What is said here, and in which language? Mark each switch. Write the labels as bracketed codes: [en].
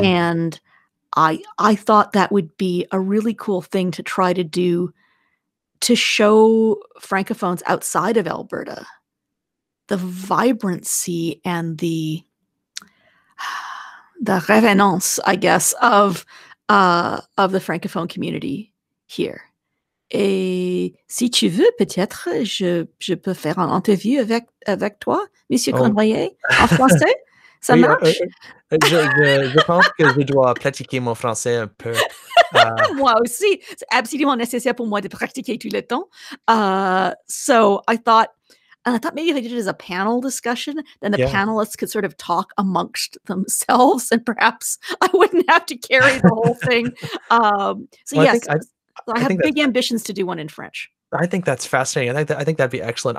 [en] And I thought that would be a really cool thing to try to do, to show Francophones outside of Alberta the vibrancy and the revenance, I guess, of the Francophone community here. [fr] Et si tu veux, peut-être je peux faire un interview avec toi, Monsieur Condroyer, en français. Ça oui, marche? Je pense que je dois pratiquer mon français un peu. Moi aussi. C'est absolument nécessaire pour moi de pratiquer tout le temps. [en] So I thought maybe if I did it as a panel discussion, then the panelists could sort of talk amongst themselves, and perhaps I wouldn't have to carry the whole thing. I have big ambitions to do one in French. I think that's fascinating. I think that'd be excellent.